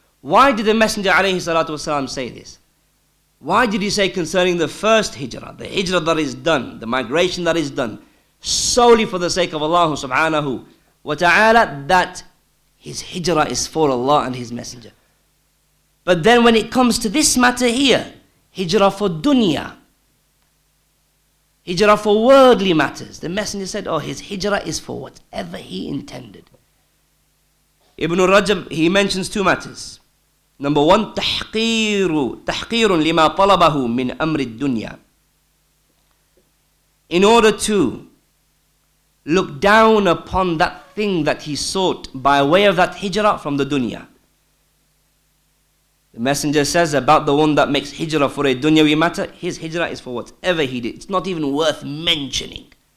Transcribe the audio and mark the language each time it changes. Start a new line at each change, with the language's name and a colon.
English: Why did the Messenger alayhi salatu wasalam say this? Why did he say concerning the first hijrah, the hijrah that is done, the migration that is done, solely for the sake of Allah subhanahu wa ta'ala, that his hijrah is for Allah and his Messenger? But then when it comes to this matter here, hijrah for dunya, hijrah for worldly matters, the Messenger said, oh, his hijrah is for whatever he intended. Ibn Rajab, he mentions two matters. Number one,
Arabic: تحقير لما طلبه من أمر الدنيا.
English: In order to look down upon that thing that he sought by way of that hijrah from the dunya. The Messenger says about the one that makes hijrah for a dunyawi matter, his hijrah is for whatever he did. It's not even worth mentioning.